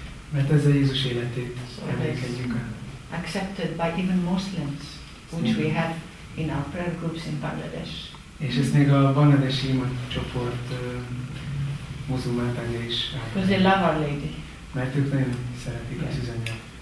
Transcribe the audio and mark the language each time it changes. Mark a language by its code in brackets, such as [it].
[hu] Mert ez a Jézus életét emlékezzük el. [en] Accepted by even Muslims, which we have in our prayer groups in Bangladesh. [hu] És ez még a bangladesi imacsoport muzulmántagja is. [en] Because they love Our Lady. [hu] Mert ők nagyon szeretik az üzenet.